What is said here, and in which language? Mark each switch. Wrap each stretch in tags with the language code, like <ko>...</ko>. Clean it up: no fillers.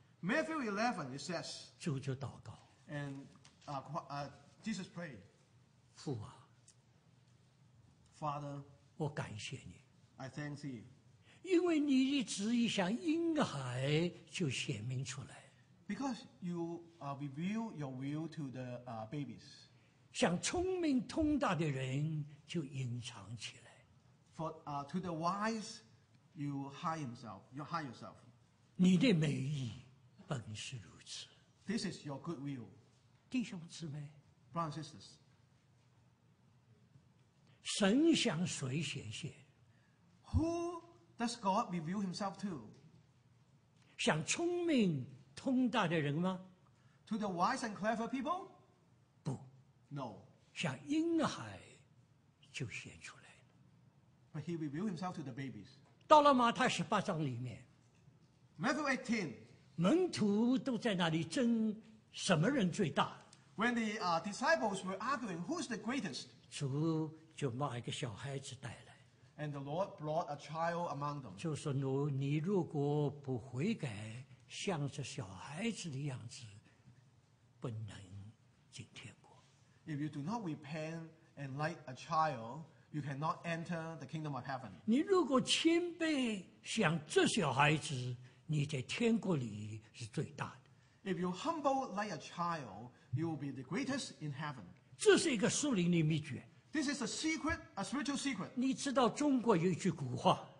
<en>Matthew 11, it says,</en> <zh>主就祷告,</zh> <en>and Jesus prayed,</en> <zh>父啊,</zh> <en>Father,</en> <zh>我感谢你,</zh> <en>I thank thee.</en> <zh>因为你的旨意像婴孩就显明出来,</zh> <en>because you reveal your will to the babies.</en> <zh>像聪明通达的人就隐藏起来,</zh> <en>for to the wise you hide himself, you hide yourself.</en> <zh>你的美意本是如此,</zh> <en>this is your good will.</en> <zh>弟兄姊妹,</zh> <en>brothers and sisters,</en> <zh>神向谁显现?</zh> <en>Who does God reveal himself to?</en> <zh>像聪明通达的人吗?</zh> <en>To the wise and clever people?</en> <zh>不,</zh> <en>no.</en> <zh>像婴孩就显出来了,</zh> <en>but he revealed himself to the babies.</en> <zh>到了马太18章里面,</zh> <en>Matthew 18,</en> <zh>门徒都在那里争什么人最大,</zh> <en>when the disciples were arguing who's the greatest,</en> <zh>主就把一个小孩子带来,</zh> <en>and the Lord brought a child among them.</en> <zh>就说你如果不悔改, 像这小孩子的样子, 不能进天国。</zh> <en>If you do not repent and like a child, you cannot enter the kingdom of heaven.</en> <zh>你如果谦卑像这小孩子, 你在天国里是最大的。</zh> <en>If you humble like a child, you will be the greatest in heaven.</en> <zh>这是一个属灵的秘诀。</zh> <en>This is a secret, a spiritual secret.</en> <zh>你知道中国有一句古话,</zh>